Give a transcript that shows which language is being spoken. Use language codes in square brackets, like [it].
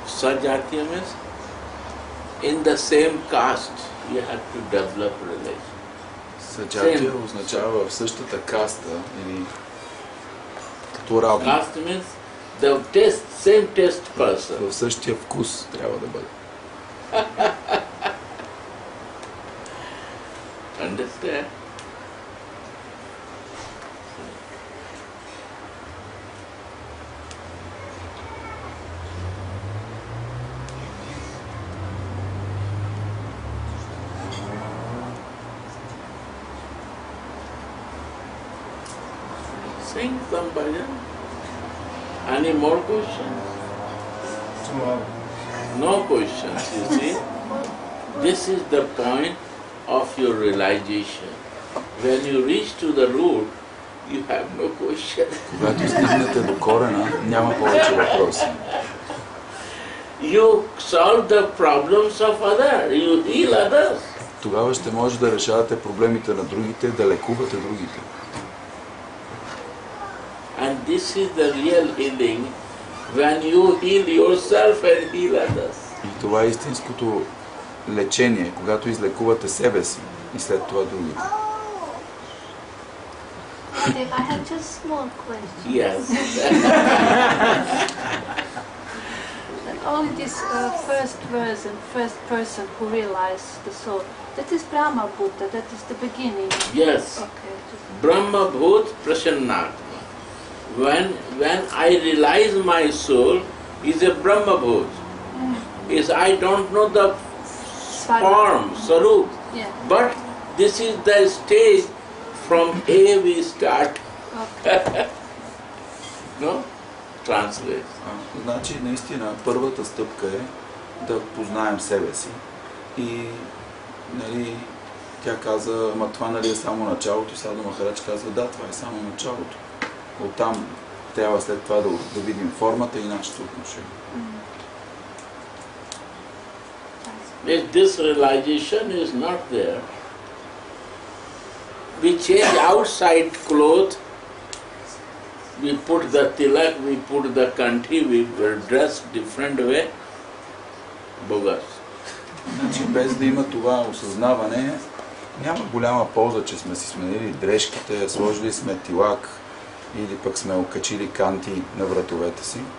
[en] Sajatiya means in the same caste you have to develop relations. [bg] Саджатия означава в същата каста или като равно. [en] Каста means the test, same test person. [bg] В същия вкус трябва да бъде. [en] Understand? Sing some bhajan. Any more questions? Tomorrow. No questions, you see. This is the point of your realization. When you reach to the root, you have no questions. You solve the problems of others, you heal others. [bg] Тогава ще може да решавате проблемите на другите, да лекувате другите. [en] And this is the real healing, when you heal yourself and heal others. [bg] И това е истинското лечение, когато излекувате себе си и след това други. [en] Oh. Dave, I have just small questions. Yes. Only this first person, first person who realizes the soul, that is Brahma Buddha, that is the beginning. Yes. Okay. Brahma Buddha Prasanna. When I realize my soul is a Brahma Bhut. Is I don't know the form, Sarup. Yeah. But this is the stage from A we start. Okay. No? Translate. [bg] Значи наистина първата стъпка е да познаем себе си. И нали, тя каза, ама това нали е само началото, и Саду Махарадж казва, да, това е само началото. Оттам трябва след това да видим формата и нашето отношение. Mm-hmm. [en] If this realization is not there, we change outside clothes, we put the tilak, we put the kanthi, we were dressed different way, bogus. [bg] Значи без да има това осъзнаване, няма голяма полза, че сме си сменили дрешките, сложили сме тилак, или пък сме окачили канти на вратовете си.